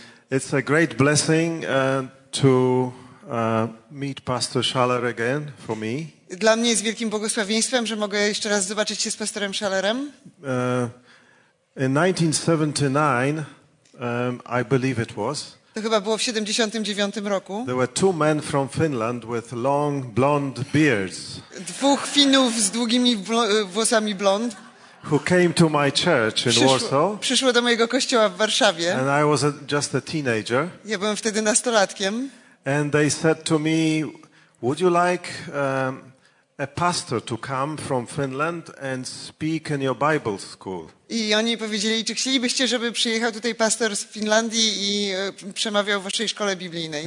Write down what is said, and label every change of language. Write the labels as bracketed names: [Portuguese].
[English] It's a great blessing to meet Pastor Schaller again for me. [Polish] Dla mnie jest wielkim błogosławieństwem, że mogę jeszcze raz zobaczyć się z pastorem Schallerem. [English] In 1979, I believe it was. [Polish] To chyba było w 79 roku. [English] There were two men from Finland with long blonde beards. [Polish] Dwóch Finów z długimi włosami blond. [English] Who came to my church in Warsaw? [Polish] Przyszło do mojego kościoła w Warszawie. [English] And I was just a teenager. [Polish] Ja byłem wtedy nastolatkiem. [English] And they said to me, "Would you like a pastor to come from Finland and speak in your Bible school?" [Polish] I oni powiedzieli, czy chcielibyście, żeby przyjechał tutaj pastor z Finlandii i przemawiał w waszej szkole biblijnej?